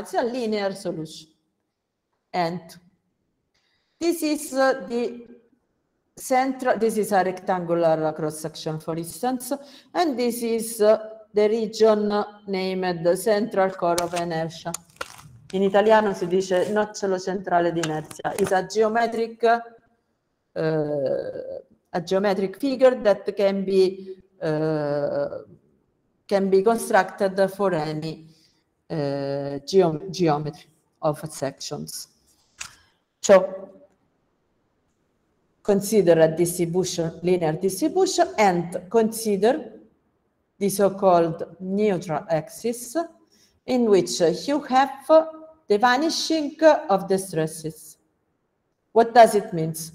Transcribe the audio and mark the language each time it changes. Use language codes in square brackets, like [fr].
[en] It's a linear solution. And this is the central, this is a rectangular cross section, for instance, and this is the region named the central core of inertia. [it] In italiano si dice nocciolo centrale di inerzia. [en] It's a geometric figure that can be constructed for any geometry of sections. So, consider a distribution, linear distribution, and consider the so-called neutral axis, in which you have the vanishing of the stresses. What does it mean?